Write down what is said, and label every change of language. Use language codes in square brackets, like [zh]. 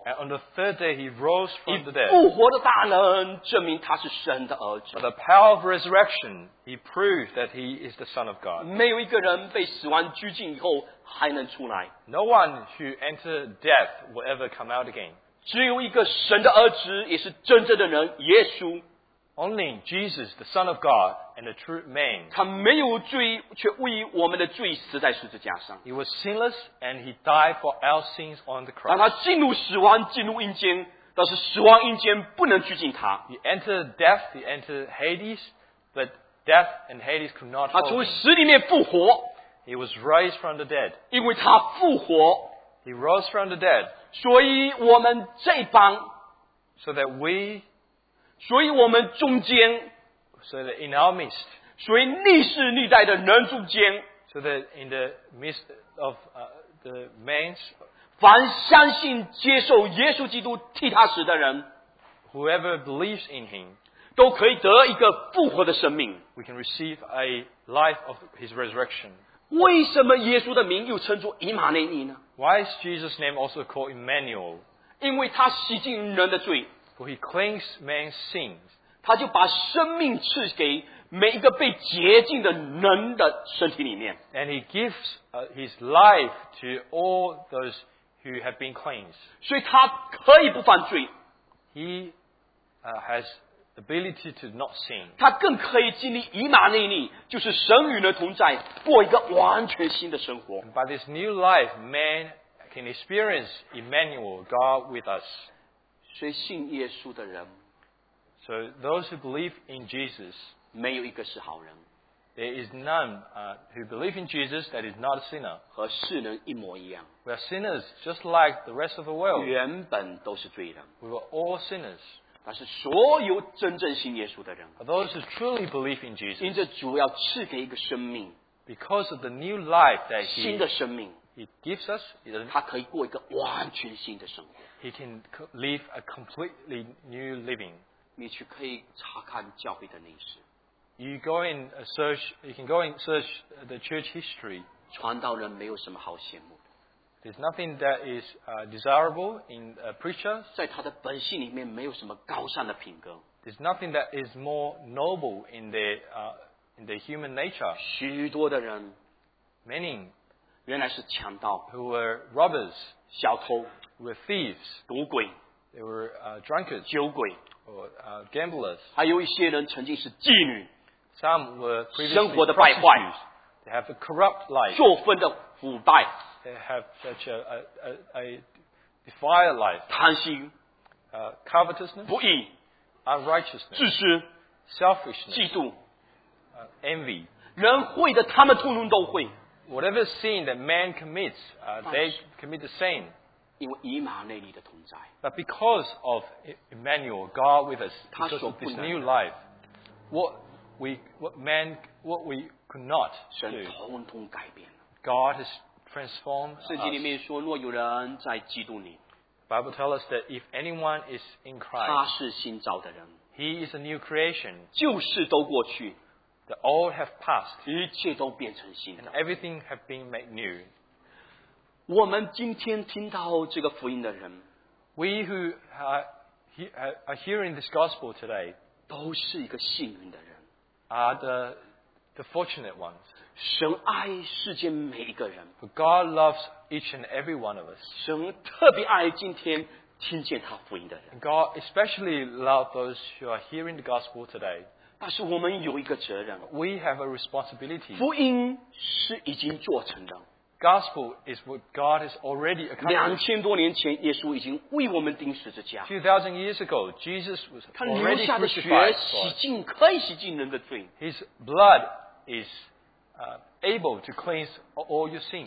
[en] And on the third day he rose from the dead [zh] 复活的大能证明他是神的儿子 [en] By the power of resurrection he proved that he is the son of God [zh] 没有一个人被死亡拘禁以后还能出来 [en] No one who entered death will ever come out again [zh] 只有一个神的儿子也是真正的人耶稣 [en] Only Jesus the son of God and the true man [zh] 他没有罪却为我们的罪死在十字架上 [en] He was sinless and he died for our sins on the cross [zh] 让他进入死亡进入阴间但是死亡阴间不能拘禁他 [en] He entered death he entered Hades but death and Hades could not hold him [zh] 他从死里面复活 [en] He was raised from the dead [zh] 因为他复活 [en] He rose from the dead [zh] 所以我们这帮 所以我们中间 [en] So that in our midst, [zh] 所以历世历代的人中间 [en] so that in the midst of the man, [zh] 凡相信接受耶稣基督替他死的人 [en] whoever believes in him, [zh] 都可以得一个复活的生命 [en] we can receive a life of his resurrection. [zh] 为什么耶稣的名又称作以马内利呢 [en] Why is Jesus' name also called Emmanuel? [zh] 因为他洗净人的罪 [en] For he cleans man's sins. [zh] 他就把生命赐给每一个被洁净的人的身体里面。 [en] And he gives his life to all those who have been cleansed. [zh] 所以他可以不犯罪。 [en] He has the ability to not sin. [zh] 他更可以经历以马内利，就是神与人同在，过一个完全新的生活。 [en] And by this new life, man can experience Emmanuel, God with us. [zh] 所以信耶稣的人 [en] So those who believe in Jesus [zh] 没有一个是好人 [en] There is none who believe in Jesus that is not a sinner [zh] 和世人一模一样 [en] We are sinners just like the rest of the world [zh] 原本都是罪人 [en] We were all sinners [zh] 但是所有真正信耶稣的人 [en] Those who truly believe in Jesus [zh] 因着主要赐给一个生命 [en] Because of the new life that he [zh] 新的生命 [en] He gives us, [zh] 他可以过一个完全新的生活。 [en] He can live a completely new living. [zh] 你去可以查看教会的历史。 [en] You go and search, you can go and search the church history. [zh] 传道人没有什么好羡慕的。 [en] There's nothing that is desirable in a preacher. [zh] 在他的本性里面没有什么高尚的品格。 [en] There's nothing that is more noble in the human nature. [zh] 许多的人 [en] Many. [zh] 原来是强盗 [en] who were robbers, [zh] 小偷 [en] were thieves, [zh] 赌鬼 [en] they were, drunkards, [zh] 酒鬼 [en] or, gamblers. [zh] 还有一些人曾经是妓女 [en] Some were previously [zh] 生活的败坏 [en] They have a corrupt life. [zh] 作风的腐败 [en] They have such a defiled life. [zh] 贪心 [en] covetousness. [zh] 不义 [en] unrighteousness. [zh] 自私 [en] selfishness. [zh] 嫉妒 [en] envy. [zh] 人会的他们通通都会 [en] Whatever sin that man commits, they commit the same. [zh] 因为以马内利的同在 [en] But because of Emmanuel, God with us, because of this new life, what we could not do, [zh] 神统统改变了 [en] God has transformed us. [zh] 圣经里面说，若有人在基督里 [en] Bible tells us that if anyone is in Christ, [zh] 他是新造的人 [en] He is a new creation. [zh] 旧事都过去 [en] The old have passed. [zh] 一切都变成新的。 [en] Everything have been made new. [zh] 我们今天听到这个福音的人 [en] We who are hearing this gospel today [zh] 都是一个幸运的人 [en] Are the fortunate ones. [zh] 神爱世间每一个人 [en] For God loves each and every one of us. [zh] 神特别爱今天听见他福音的人 [en] God especially loves those who are hearing the gospel today. [zh] 但是我们有一个责任 [en] We have a responsibility. [zh] 福音是已经做成的 [en] Gospel is what God has already accomplished. [zh] 两千多年前耶稣已经为我们钉十字架 [en] 2000 years ago, Jesus was already crucified. [zh] 他留下的血洗净可以洗净人的罪 [en] His blood is able to cleanse all your sins.